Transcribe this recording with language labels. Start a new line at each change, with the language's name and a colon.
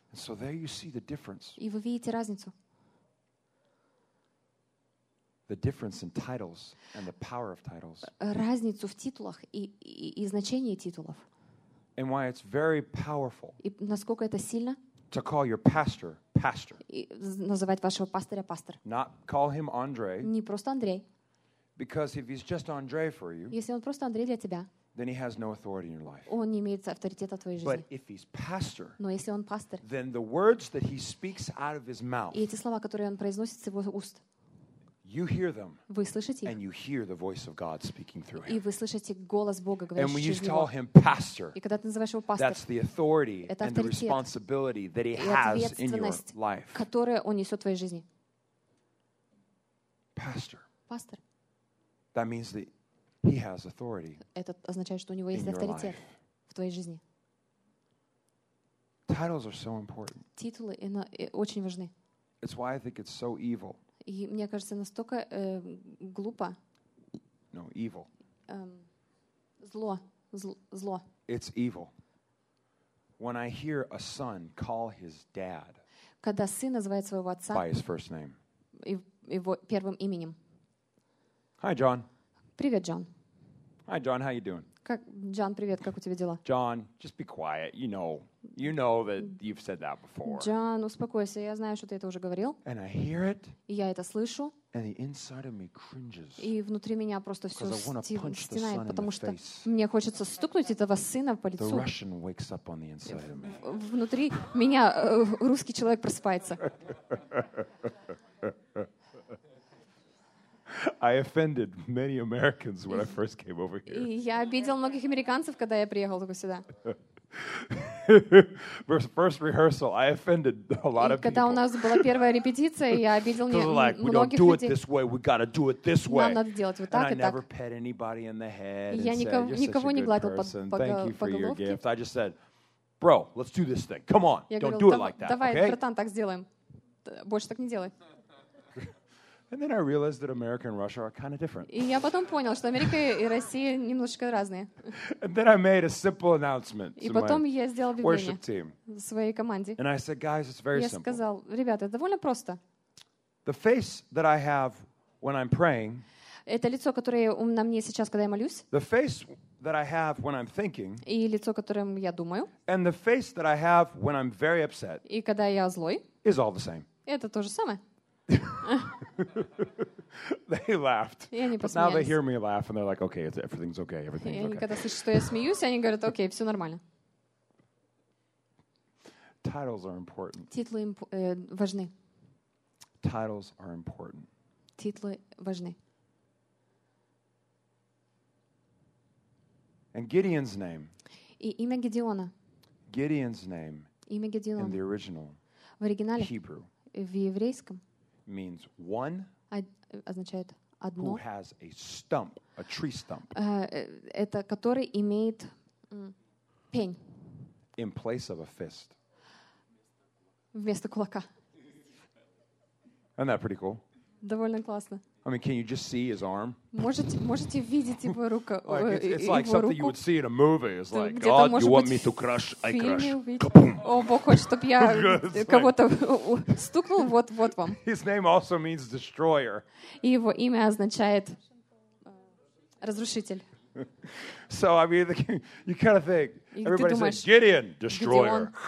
English: And so there you see the difference.
Russian: И вы видите разницу.
English: The difference in titles and the power of titles.
Russian: Разницу в титулах и значении титулов.
English: And why it's very powerful.
Russian: И насколько это сильно?
English: To call your pastor, pastor.
Russian: И называть вашего пастыря пастор.
English: Not call him Andre.
Russian: Не просто Андрей.
English: Because if he's just Andre for you.
Russian: Если он просто Андрей для тебя.
English: Then he has no authority in your life.
Russian: Он не имеет авторитета в твоей жизни.
English: But if he's pastor,
Russian: Но если он пастор,
English: then the words that he speaks out of his mouth,
Russian: и эти слова, которые он произносит с его уст,
English: you hear them,
Russian: вы слышите их,
English: and you hear the voice of God speaking through him.
Russian: И вы слышите голос Бога, говорящий через него.
English: And when you call him pastor,
Russian: и когда ты называешь его пастор,
English: that's the authority and the responsibility that he has in your life.
Russian: И ответственность, которую он несет в твоей жизни.
English: Pastor.
Russian: Пастор.
English: That means that He has authority.
Russian: Это означает, что у него есть авторитет в твоей жизни.
English: Titles are so important.
Russian: Титулы очень важны.
English: It's why I think it's so evil.
Russian: И мне кажется, настолько глупо.
English: No, evil.
Russian: Зло.
English: It's evil. When I hear a son call his dad
Russian: Когда сын называет своего отца
English: by his first name.
Russian: Его первым именем.
English: Hi, John.
Russian: Привет, Джон.
English: Hi, John. How you doing?
Russian: Как, Джон, привет. Как у тебя дела?
English: John, just be quiet. You know that you've said that before.
Russian: Джон, успокойся. Я знаю, что ты это уже говорил.
English: And I hear it.
Russian: И я это слышу.
English: And the inside of me cringes.
Russian: И внутри меня просто все стенает, потому что мне хочется стукнуть этого сына по лицу.
English: The Russian wakes up on the inside of me.
Russian: Внутри меня русский человек просыпается.
English: I offended many Americans when I first came over here.
Russian: Я обидел многих американцев, когда я приехал только сюда.
English: First rehearsal, I offended a lot of people.
Russian: Когда у нас была первая репетиция, я обидел многих людей.
English: We don't do it this way. We got to do it this way.
Russian: Нам надо делать вот так и так.
English: And I never pet anybody in the head.
Russian: Я никого не гладил по головке.
English: Thank you for your gift. I just said, bro, let's do this thing. Come on, don't do it like that.
Russian: Давай, братан, так сделаем. Больше так не делай.
English: And then I realized that America and Russia are kind of different.
Russian: И я потом понял, что Америка и Россия немножечко разные.
English: And then I made a simple announcement to my worship team.
Russian: Своей команде.
English: And I said, guys, it's very simple.
Russian: Я сказал, ребята, это довольно просто.
English: The face that I have when I'm praying.
Russian: Это лицо, которое на мне сейчас, когда я молюсь.
English: The face that I have when I'm thinking.
Russian: И лицо, которым я думаю.
English: And the face that I have when I'm very upset.
Russian: И когда я злой.
English: Is all the same.
Russian: Это то же самое.
English: They laughed. But now they hear me laugh and they're like, okay, everything's okay, everything's okay.
Russian: Когда слышат, что я смеюсь, они говорят, окей, все нормально.
English: Titles are important.
Russian: Титлы важны.
English: Titles are important.
Russian: Титлы важны.
English: And Gideon's name.
Russian: И имя Гедеона.
English: Gideon's name.
Russian: Имя Гедеона.
English: In the original.
Russian: В оригинале.
English: Hebrew.
Russian: В еврейском.
English: Means one
Russian: означает одно,
English: who has a stump, a tree stump.
Russian: Это который имеет пень.
English: In place of a fist.
Russian: Вместо кулака.
English: Isn't that pretty cool?
Russian: Довольно классно.
English: I mean, can you just see his arm?
Russian: Можете видеть его руку?
English: It's like
Russian: его
English: something
Russian: руку.
English: You would see in a movie. It's like, God, you want me to crush? I crush.
Russian: О, Бог хочет, чтобы я кого-то стукнул. Вот вам.
English: His name also means destroyer.
Russian: И его имя означает разрушитель.
English: So, I mean, you kind of think, everybody says, Gideon, destroyer.